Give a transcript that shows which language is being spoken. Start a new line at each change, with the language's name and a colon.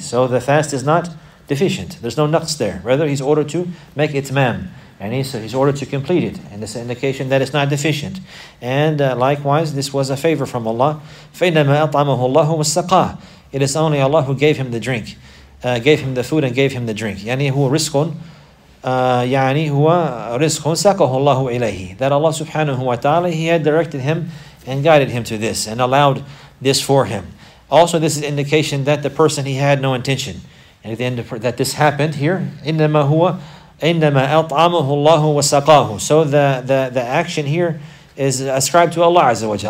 English: So the fast is not deficient. There's no naqs there. Rather, he's ordered to make itmam, and he's ordered to complete it. And it's an indication that it's not deficient. And likewise, this was a favor from Allah.
Arabic: فَإِنَّمَا أَطْعَمَهُ اللَّهُ وَالسَّقَى.
English: It is only Allah who gave him the drink, gave him the food and gave him the drink.
Arabic: يعني هو رزق يعني هو رزق ساقه الله إليه.
English: That Allah subhanahu wa ta'ala, he had directed him and guided him to this and allowed this for him. Also, this is indication that the person, he had no intention. And at the end of, that this happened here,
Arabic: إنما أطعمه الله وسقاه.
English: So the action here is ascribed to Allah Azza wa Jalla.